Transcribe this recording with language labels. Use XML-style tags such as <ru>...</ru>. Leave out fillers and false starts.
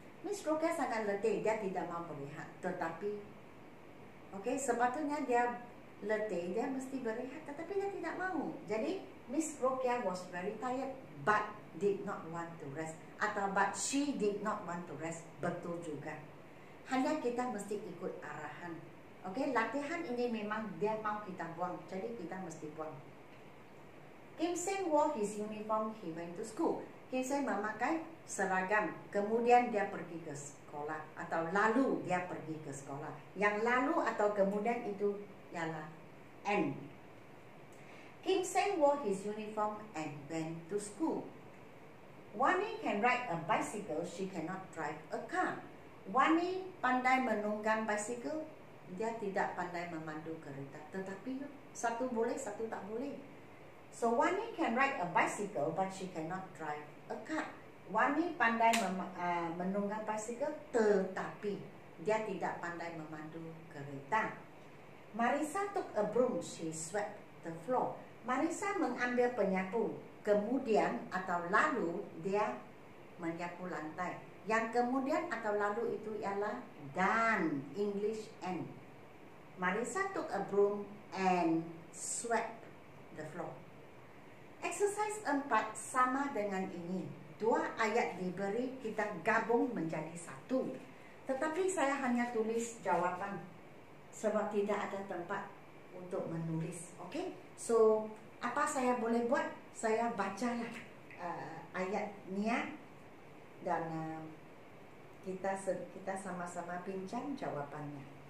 <ms>Miss Rokia sangat letih. Dia tidak mau berehat. Tetapi, okay, sepatutnya dia letih. Dia mesti berehat. Tetapi dia tidak mau.</ms> <en>Jadi, Miss Rokia was very tired but did not want to rest. Atau but she did not want to rest.</en> <ms>Betul juga. Hanya kita mesti ikut arahan. Okay, latihan ini memang dia mau kita buang. Jadi kita mesti buang.</ms> <en>Kim Seng wore his uniform, he went to school.</en> <ms>Kim Seng memakai seragam. Kemudian dia pergi ke sekolah. Atau lalu dia pergi ke sekolah. Yang lalu atau kemudian itu ialah and.</ms> <en>Kim Seng wore his uniform and went to school. Wani can ride a bicycle, she cannot drive a car.</en> <ms>Wani pandai menunggang bicycle, dia tidak pandai memandu kereta. Tetapi satu boleh, satu tak boleh.</ms> <en>So Wani can ride a bicycle but she cannot drive a car.</en> <ms>Wani pandai menunggang bicycle tetapi dia tidak pandai memandu kereta.</ms> <en>Marisa took a broom, she swept the floor.</en> <ms>Marisa mengambil penyapu. Kemudian atau lalu dia menyapu lantai. Yang kemudian atau lalu itu ialah dan,</ms> <en>English and. Marisa took a broom and swept the floor.</en> <ms>Exercise 4 sama dengan ini. Dua ayat diberi, kita gabung menjadi satu. Tetapi saya hanya tulis jawaban sebab tidak ada tempat untuk menulis. Okay? So, apa saya boleh buat? Saya bacalah ayatnya dan kita sama-sama bincang jawabannya.</ms>